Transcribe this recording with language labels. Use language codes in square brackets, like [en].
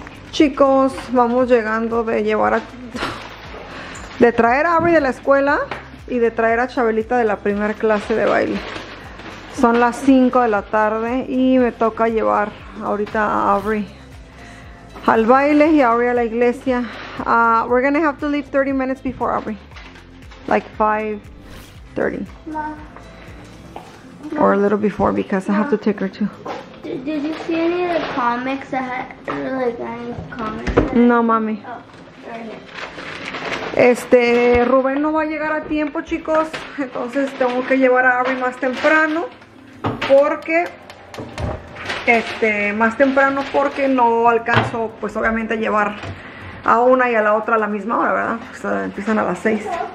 [es] Chicos, vamos llegando de llevar a... de traer a Abre de la escuela y de traer a Chabelita de la primera clase de baile. Son las 5 de la tarde y me toca llevar ahorita a Abre al baile y Abre a la iglesia. [en] We're gonna have to leave 30 minutes before Abre. Like 5:30. No. Or a little before, because no. I have to take her too. Did you see any of the comics that had, like, any comics? [es] No, mami. [en] Oh, right here. [es] Rubén no va a llegar a tiempo, chicos. Entonces tengo que llevar a Abby más temprano, porque más temprano, porque no alcanzo, pues obviamente, a llevar a una y a la otra a la misma hora, ¿verdad? O sea, empiezan a las 6.